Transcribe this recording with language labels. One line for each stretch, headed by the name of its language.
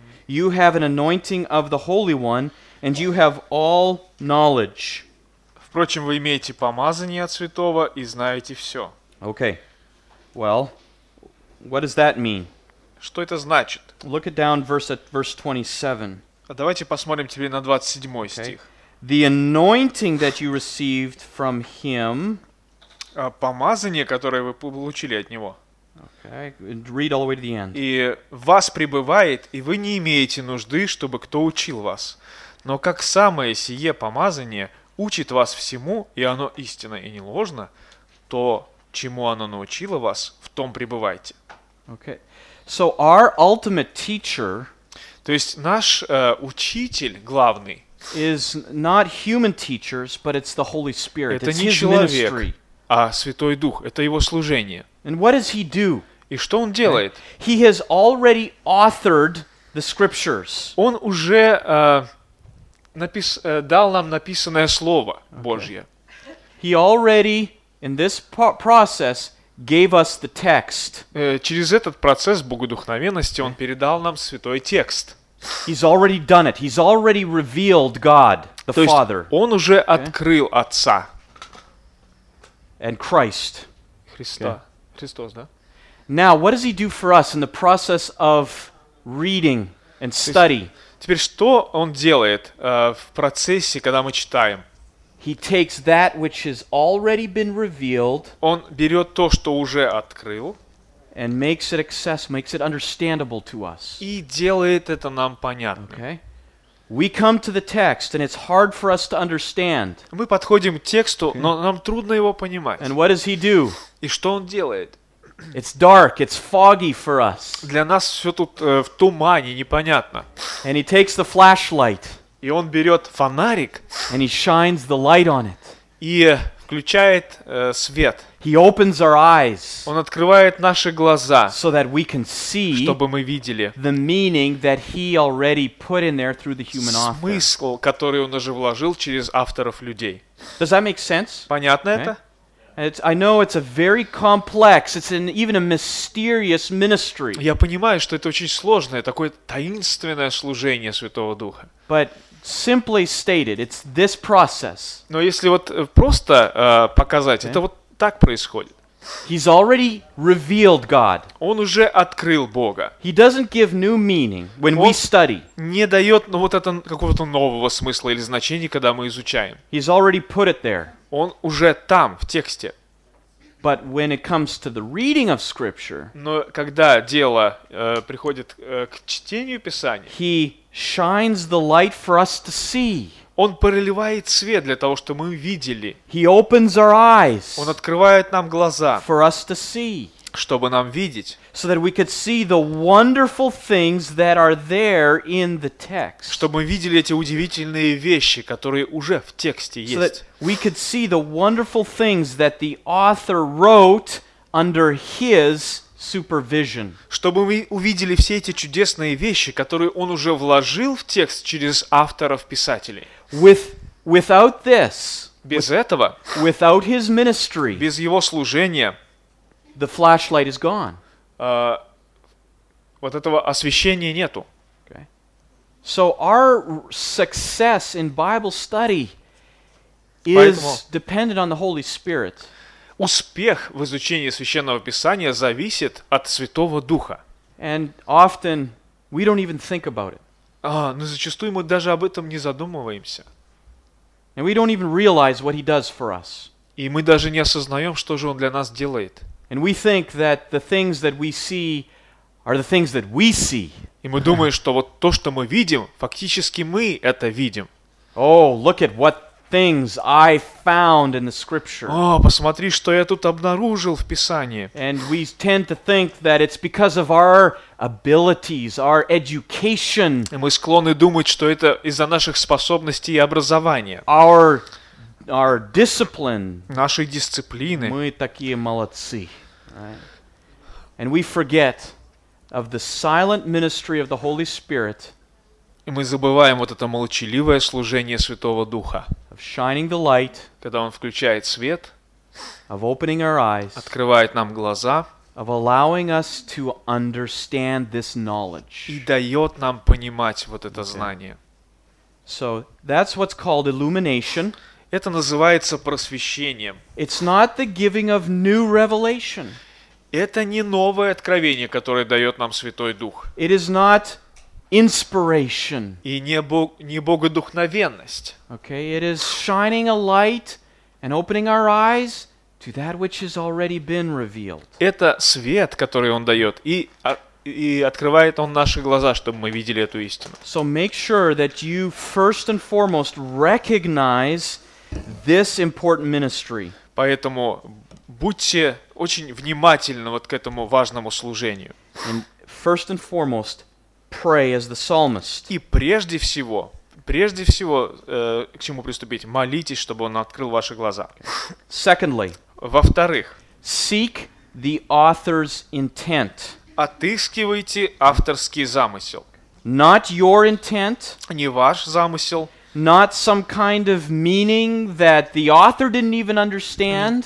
English: You have an anointing of the Holy One, and you have all knowledge.
Russian: Впрочем, вы имеете помазание от Святого и знаете все.
English: Okay, well, what does that mean?
Russian: Что это значит?
English: Look it down verse 27.
Russian: А давайте посмотрим теперь на 27 стих.
English: The anointing that you received from him.
Russian: Помазание, которое вы получили от него.
English: Okay. Read all the way to the end.
Russian: И вас пребывает, и вы не имеете нужды, чтобы кто учил вас. Но как самое сие помазание учит вас всему, и оно истинно и не ложно, то чему оно научило вас, в том пребывайте.
English: Okay. So our ultimate teacher,
Russian: то есть наш учитель главный,
English: is not human teachers, but it's the Holy Spirit.
Russian: Это не человек, а Святой Дух. Это его служение.
English: And what does he do?
Russian: И что он делает?
English: He has already authored the scriptures.
Russian: Он уже дал нам написанное слово Божье.
English: He already in this process gave us the text.
Russian: Через этот процесс богодухновенности он передал нам святой текст.
English: He's already done it. He's already revealed God, the
Russian: То
English: Father.
Russian: Есть он уже открыл Отца.
English: And Christ.
Russian: Христа. Okay. Христос, да?
English: Now, what does he do for us in the process of reading and study?
Russian: Теперь что он делает в процессе, когда мы читаем?
English: He takes that which has already been revealed.
Russian: Он берет то, что уже открыл,
English: and makes it accessible, makes it understandable to us.
Russian: И делает это нам понятным.
English: Okay. We come to the text, and it's hard for us to understand.
Russian: Мы подходим к тексту, но нам трудно его понимать.
English: And what does he do?
Russian: И что он делает?
English: It's dark, it's foggy for us.
Russian: Для нас все тут в тумане, непонятно.
English: And he takes the flashlight.
Russian: И он берет фонарик,
English: and he shines the light on it.
Russian: И включает свет.
English: He opens our eyes.
Russian: Он открывает наши глаза,
English: so that we can see,
Russian: чтобы мы видели
English: the meaning that he already put in there through the human author.
Russian: Смысл, который он уже вложил через авторов людей.
English: Does that make sense?
Russian: Понятно это?
English: It's, I know it's a very complex, it's an even a mysterious ministry.
Russian: Я понимаю, что это очень сложное, такое таинственное служение Святого Духа.
English: But simply stated, it's this process.
Russian: Но если вот просто показать, okay. Это вот так происходит.
English: He's already revealed God.
Russian: Он уже открыл Бога.
English: He doesn't give new meaning when we study.
Russian: Не дает, ну, вот это какого-то нового смысла или значения, когда мы изучаем.
English: He's already put it there.
Russian: Он уже там, в тексте.
English: But when it comes to the reading of scripture,
Russian: но когда дело приходит к чтению Писания,
English: he shines the light for us to see.
Russian: Он проливает свет для того, чтобы мы видели.
English: He opens our eyes.
Russian: Он открывает нам глаза.
English: For us to see.
Russian: Чтобы нам видеть.
English: So that we could see the wonderful things that are there in the text.
Russian: Чтобы мы видели эти удивительные вещи, которые уже в тексте есть.
English: So that we could see the wonderful things that the author wrote under his supervision.
Russian: Чтобы мы увидели все эти чудесные вещи, которые он уже вложил в текст через авторов-писателей.
English: Without this,
Russian: без этого,
English: without his ministry,
Russian: без его служения,
English: the flashlight is gone.
Russian: Вот этого освещения нету.
English: Okay. So our success in Bible study is dependent on the Holy Spirit.
Russian: Успех в изучении Священного Писания зависит от Святого Духа.
English: And often we don't even think about it.
Russian: Но зачастую мы даже об этом не задумываемся.
English: And we don't even realize what he does for us.
Russian: И мы даже не осознаем, что же он для нас делает.
English: And we think that the things that we see are the things that we see.
Russian: И мы думаем, что вот то, что мы видим, фактически мы это видим.
English: Oh, look at what things I found in the scripture.
Russian: О, посмотри, что я тут обнаружил в Писании.
English: And we tend to think that it's because of our abilities, our education.
Russian: И мы склонны думать, что это из-за наших способностей и образования.
English: Our discipline.
Russian: Наши дисциплины. Мы такие молодцы.
English: Right? And we forget of the silent ministry of the Holy Spirit.
Russian: И мы забываем вот это молчаливое служение Святого Духа.
English: Of shining the light,
Russian: когда Он включает свет,
English: of opening our eyes,
Russian: открывает нам глаза,
English: of allowing us to understand this knowledge.
Russian: И дает нам понимать вот это знание.
English: So that's what's called illumination.
Russian: Это называется просвещением.
English: It's not the giving of new revelation.
Russian: Это не новое откровение, которое дает нам Святой Дух.
English: It is not inspiration.
Russian: И не богодухновенность.
English: Okay, it is shining a light and opening our eyes to that which has already been revealed.
Russian: Это свет, который он дает, и открывает он наши глаза, чтобы мы видели эту истину.
English: So make sure that you first and foremost recognize this important ministry.
Russian: Поэтому будьте очень внимательны вот к этому важному служению.
English: And first and foremost, pray as the psalmist.
Russian: И прежде всего, к чему приступить? Молитесь, чтобы он открыл ваши глаза.
English: Secondly,
Russian: во-вторых,
English: seek the author's intent.
Russian: Отыскивайте авторский замысел.
English: Not your intent.
Russian: Не ваш замысел.
English: Not some kind of meaning that the author didn't even understand.